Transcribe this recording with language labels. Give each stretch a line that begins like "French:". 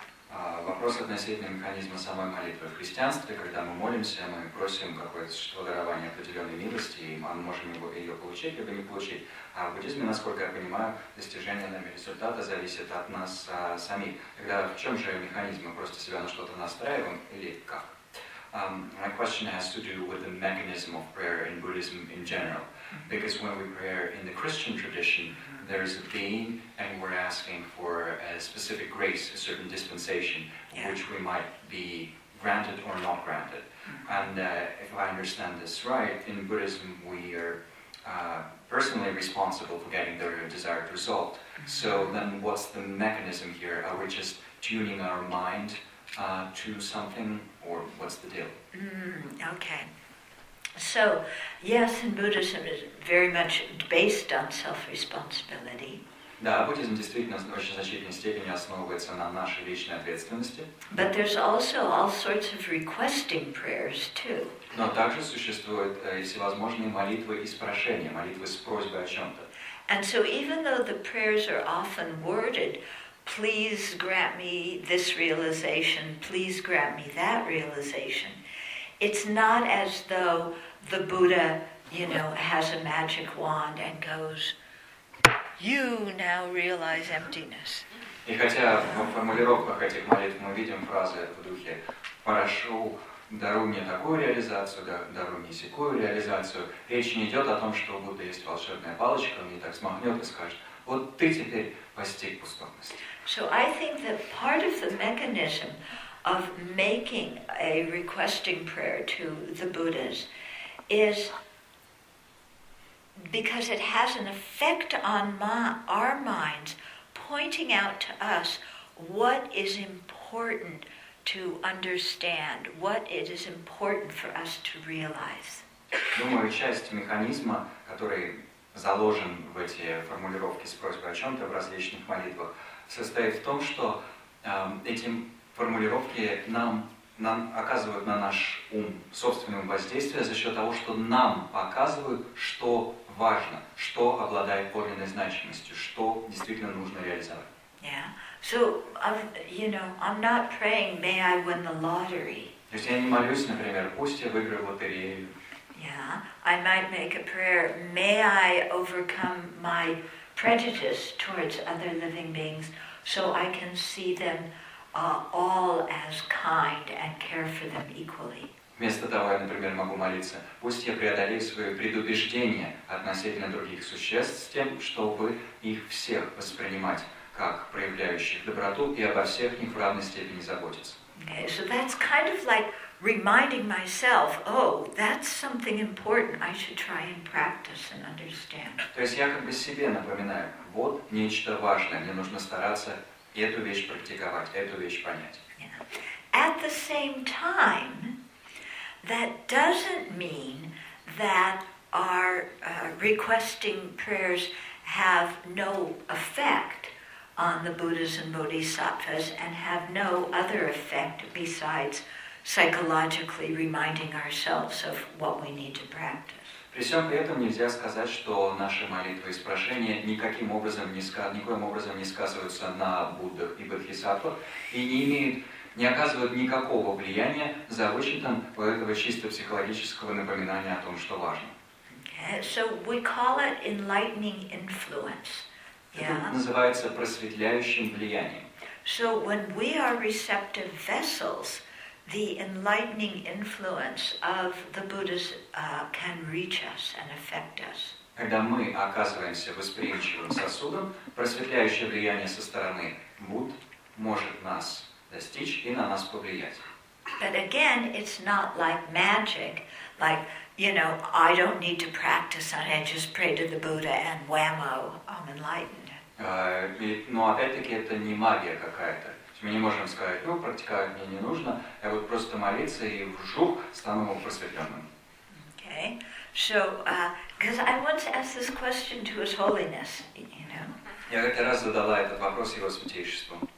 Russian: Вопрос относительно механизма самой молитвы. В христианстве, когда мы молимся, мы просим какое-то существо дарования определенной милости, и мы можем ее получить, либо не получить. А в буддизме, насколько я понимаю, достижение нами результата зависит от нас самих. Тогда в чем же механизм? Мы просто себя на что-то настраиваем или как?
English: My question has to do with the mechanism of prayer in Buddhism in general. Because when we pray in the Christian tradition, there is a being, and we're asking for a specific grace, a certain dispensation, which we might be granted or not granted. Mm-hmm. And if I understand this right, in Buddhism, we are personally responsible for getting the desired result. Mm-hmm. So then what's the mechanism here? Are we just tuning our mind to something, or what's the deal? Mm-hmm. Okay. So, yes, in Buddhism is very much based on self-responsibility.
Russian: Да, буддизм действительно в очень значительной степени основывается на нашей личной ответственности.
English: But there's also all sorts of requesting prayers too.
Russian: Но также существуют всевозможные молитвы и спрошения, молитвы с просьбой о чем-то.
English: And so even though the prayers are often worded, please grant me this realization, please grant me that realization, it's not as though the Buddha, you know, has a magic wand and goes, you now realize emptiness.
Russian: И хотя в формулировках этих молитв мы видим фразы в духе «Прошу, даруй мне такую реализацию, даруй мне сякую реализацию», речь не идет о том, что у Будды есть волшебная палочка, он ей так смахнет и скажет, вот ты теперь постиг пустотность.
English: So I think that part of the mechanism of making a requesting prayer to the Buddhas is because it has an effect on our minds, pointing out to us what is important to understand, what it is important for us to realize.
Russian: Думаю, часть механизма, который заложен в эти формулировки с просьбой о чем-то в различных молитвах, состоит в том, что этим формулировки нам оказывают на наш ум собственное воздействие за счет того, что нам показывают, что важно, что обладает подлинной значимостью, что действительно нужно реализовать.
English: Yeah. So, you know, I'm not praying, may I win the lottery.
Russian: То есть я не молюсь, например, пусть я выиграю лотерею.
English: Yeah. I might make a prayer, may I overcome my prejudice towards other living beings so I can see them all as kind and care for them equally.
Russian: Вместо того, я, например, могу молиться, пусть я преодолею свои предубеждения относительно других существ с тем, чтобы их всех воспринимать как проявляющих доброту и обо всех них в равной степени заботиться.
English: Okay, so that's kind of like reminding myself, oh, that's something important I should try and practice and understand.
Russian: То есть я как бы себе напоминаю, вот нечто важное, мне нужно стараться эту вещь практиковать, эту вещь понять.
English: At the same time, that doesn't mean that our requesting prayers have no effect on the Buddhas and Bodhisattvas and have no other effect besides psychologically reminding ourselves of what we need to practice.
Russian: При всем при этом нельзя сказать, что наши молитвы и спрошения никоим образом не сказываются на Буддах и Бодхисаттвах и не оказывают никакого влияния за вычетом этого чисто психологического напоминания о том, что важно.
English: So we call it enlightening influence. Yeah.
Russian: Это называется просветляющим влиянием.
English: So when we are receptive vessels, the enlightening influence of the Buddhas can reach us and affect us.
Russian: Когда мы оказываемся восприимчивым сосудом, просветляющее влияние со стороны Будд может нас достичь и на нас повлиять.
English: But again, it's not like magic, like, you know, I don't need to practice, I just pray to the Buddha and whammo, I'm enlightened.
Russian: Но опять-таки это не магия какая-то. Мы не можем сказать, ну, практиковать мне не нужно, я буду просто молиться и вжух стану просветленным.
English: Okay, so, because I once asked this question to His Holiness, you know.
Russian: Я как-то раз задала этот вопрос Его Святейшеству.